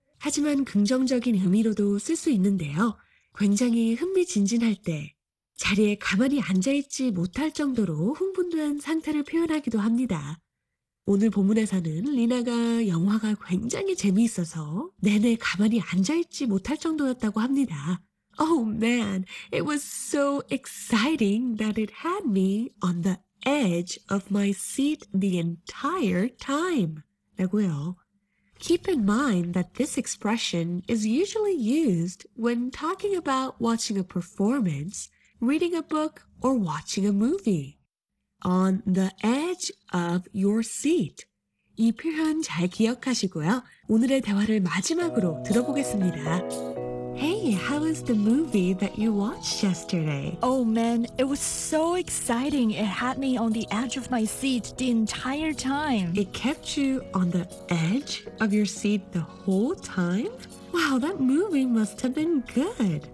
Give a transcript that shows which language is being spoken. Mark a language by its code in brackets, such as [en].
[ko] 하지만 긍정적인 의미로도 쓸 수 있는데요. 굉장히 흥미진진할 때 자리에 가만히 앉아있지 못할 정도로 흥분된 상태를 표현하기도 합니다. 오늘 본문에서는 리나가 영화가 굉장히 재미있어서 내내 가만히 앉아있지 못할 정도였다고 합니다. [en] Oh man, it was so exciting that it had me on the edge of my seat the entire time. [ko] 라고요. [en] Keep in mind that this expression is usually used when talking about watching a performance, reading a book, or watching a movie. On the edge of your seat. [ko] 이 표현 잘 기억하시고요. 오늘의 대화를 마지막으로 들어보겠습니다. [en] Hey, how was the movie that you watched yesterday? Oh man, it was so exciting. It had me on the edge of my seat the entire time. It kept you on the edge of your seat the whole time? Wow, that movie must have been good.